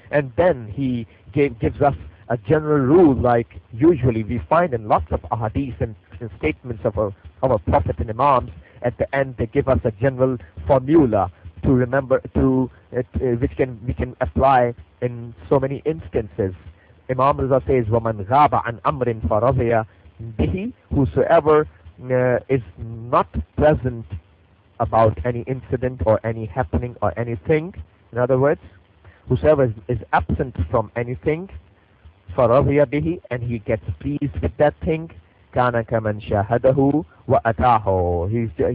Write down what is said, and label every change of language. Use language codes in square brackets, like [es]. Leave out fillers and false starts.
[en] And then he gives us a general rule, like usually we find in lots of ahadith and statements of our prophet and imams, at the end they give us a general formula to remember, which can apply in so many instances. Imam Rida says, [ar] وَمَنْ غَابَ عَنْ أَمْرٍ فَرَضِيَ بِهِ. [en] Whosoever is not present about any incident or any happening or anything, in other words, whosoever is absent from anything, [ar] فَرَضِيَ بِهِ, [en] and he gets pleased with that thing, [ar] كَانَ كَمَنْ شَهَدَهُ وَأَتَاهُ.